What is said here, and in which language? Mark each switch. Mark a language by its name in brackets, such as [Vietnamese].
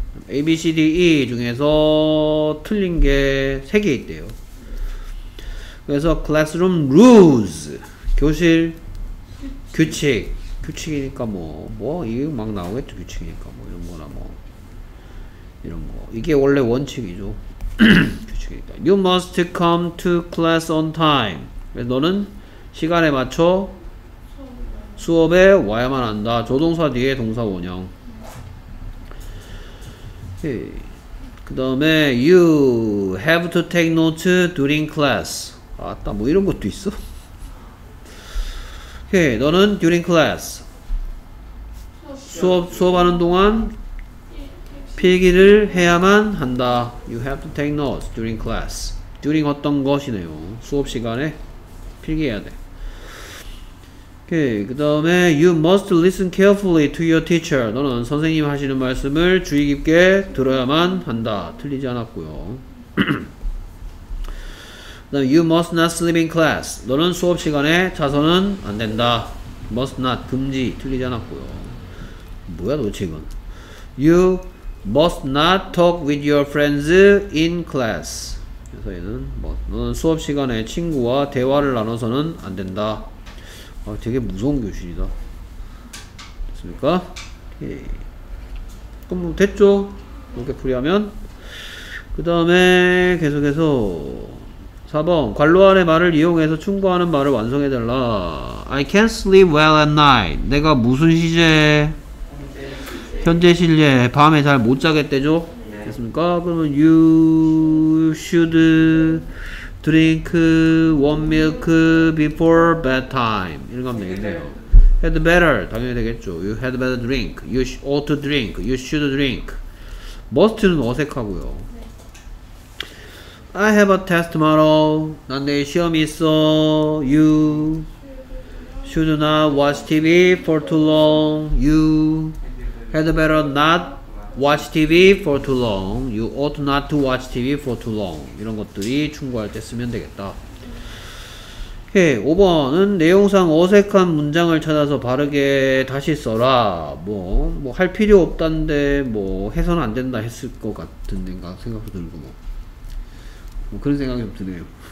[Korean] A, B, C, D, E 중에서 틀린 게 세 개 있대요. 그래서 [English] classroom rules, [Korean] 교실 규칙, 규칙이니까 뭐 이게 막 나오겠죠. 규칙이니까 뭐 이런 거나 뭐 이런 거 이게 원래 원칙이죠. 규칙이니까 [English] you must come to class on time. [Korean] 그래서 너는 시간에 맞춰 수업에 와야만 한다. 조동사 뒤에 동사 원형. 오케이. 그 다음에 [English] you have to take notes during class. [Korean] 아따 뭐 이런 것도 있어? 오케이. 너는 [English] during class [Korean] 수업하는 동안 필기를 해야만 한다. [English] You have to take notes during class. during [Korean] 어떤 것이네요. 수업 시간에 필기해야 돼. 오케이. 그 다음에 [English] you must listen carefully to your teacher. [Korean] 너는 선생님 하시는 말씀을 주의 깊게 들어야만 한다. 틀리지 않았고요. [English] You must not sleep in class. [Korean] 너는 수업 시간에 자서는 안 된다. [English] Must not. [Korean] 금지. 틀리지 않았고요. 뭐야 도대체 이건. [English] You must not talk with your friends in class. [Korean] 그래서 얘는 뭐 너는 수업 시간에 친구와 대화를 나눠서는 안 된다. 아 되게 무서운 교실이다. 됐습니까? 오케이. 그럼 뭐 됐죠? 이렇게 풀이하면. 그 다음에 계속해서 4번 관로안의 말을 이용해서 충고하는 말을 완성해달라. [English] I can't sleep well at night. [Korean] 내가 무슨 시제? 현재 시제. 밤에 잘 못 자겠대죠? 됐습니까? 그러면 [English] you should drink warm milk before bedtime. [Korean] 이런 거 하면 되겠네요. Had better. 당연히 되겠죠. [English] You had better drink. You ought to drink. You should drink. Must는 [Korean] 어색하고요. [English] I have a test tomorrow. [Korean] 난 내일 시험이 있어. [English] You should not watch TV for too long. You had better not watch TV for too long. You ought not to watch TV for too long. [Korean] 이런 것들이 충고할 때 쓰면 되겠다. 오케이. 5번은 내용상 어색한 문장을 찾아서 바르게 다시 써라. 뭐 할 필요 없단데 뭐 해서는 안 된다 했을 것 같은 생각도 들고 뭐 그런 생각이 좀 드네요.